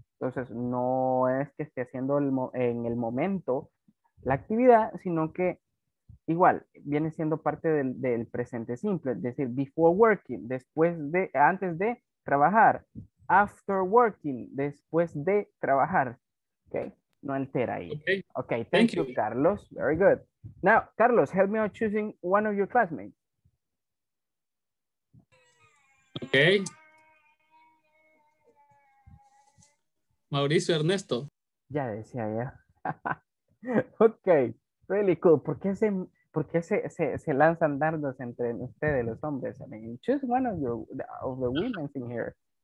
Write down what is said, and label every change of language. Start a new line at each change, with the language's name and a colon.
Spanish: Entonces, no es que esté haciendo en el momento la actividad, sino que igual viene siendo parte del presente simple, es decir,
English: before working,
Spanish: después de, antes de trabajar,
English: after working,
Spanish: después de trabajar. Ok, no altera ahí.
English: Ok, okay, thank you, Carlos. Very good. Now, Carlos, help me out choosing one of your classmates. Okay. Mauricio Ernesto.
Spanish: Ya decía ya.
English: Okay, really cool.
Spanish: ¿Por qué se lanzan dardos entre ustedes los hombres?
English: I mean, choose one of the women in here.